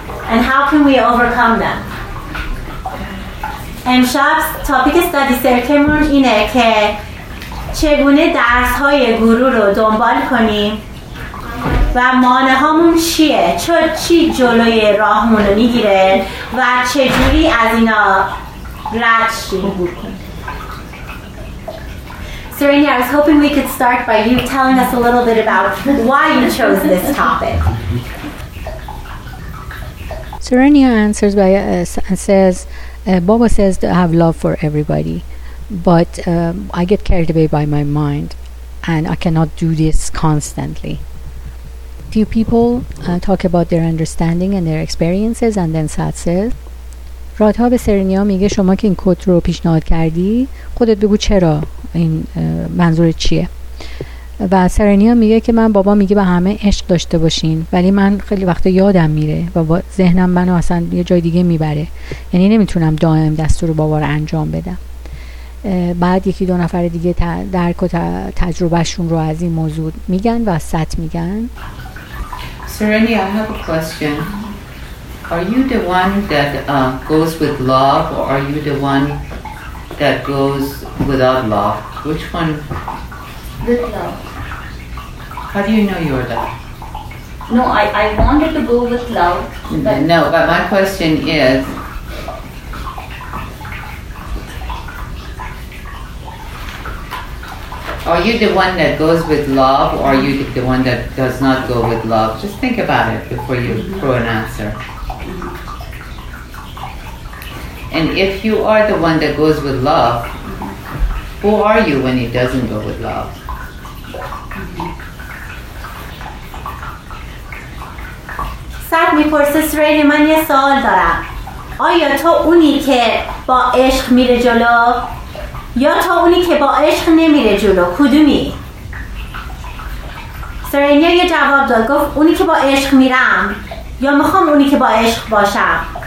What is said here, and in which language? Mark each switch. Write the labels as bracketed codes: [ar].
[en] And how can we overcome them? [fa] امشب تاپیک استادی سرکمون اینه که چگونه درس های گرو رو دنبال کنیم و مانه هامون چیه؟ چی جلوی راهمون رو میگیره و چجوری از اینا رد شیم؟ [en] Serenia, I was hoping we could start by you telling us a little bit about why you chose this topic. Serenia answers by says, Baba says to have love for everybody, but I get carried away by my mind, and I cannot do this constantly. Few people talk about their understanding and their experiences, and then Sat says, [fa] Radha be Serenia میگه شما که این کد رو پیشنهاد کردی خودت بگو چرا این منظور چیه و سرنیا میگه که من بابا میگه به همه عشق داشته باشین ولی من خیلی وقتا یادم میره و ذهنم منو اصلا یه جای دیگه میبره یعنی نمیتونم دائم دستور بابا رو انجام بدم بعد یکی دو نفر دیگه درک و تجربهشون رو از این موضوع میگن و سط میگن [en] Serenia, I have a question. Are you the one that goes with love or are you the one that goes without love? Which one? With love. How do you know you're that? No, I wanted to go with love. But no, but my question is, are you the one that goes with love or are you the one that does not go with love? Just think about it before you throw an answer. And if you are the one that goes with love, who are you when he doesn't go with love? [fa] Sat میپرسه سرینی من یه سوال دارم. آیا تو اونی که با عشق میره جلو یا تو اونی که با عشق نمیره جلو کدومی؟ سرینی یه جواب داد گفت اونی که با عشق میرم یا میخوام اونی که با عشق باشم.